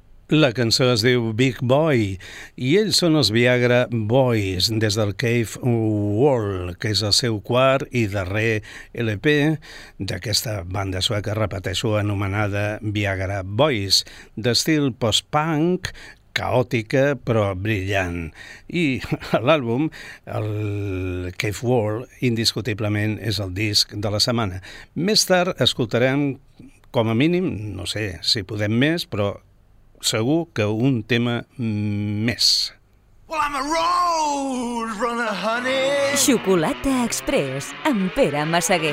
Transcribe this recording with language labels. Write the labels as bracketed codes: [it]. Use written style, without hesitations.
[ca] La cançó es diu Big Boy i ells són els Viagra Boys des del Cave World, que és el seu quart i darrer LP d'aquesta banda sueca, repeteixo, anomenada Viagra Boys, d'estil post-punk, caòtica però brillant. I l'àlbum, el Cave World, indiscutiblement és el disc de la setmana. Més tard escoltarem, com a mínim, no sé si podem més, però segur que un tema més. [en] Well, I'm a road runner, honey. [ca] Xocolata Express, amb Pere Massaguer.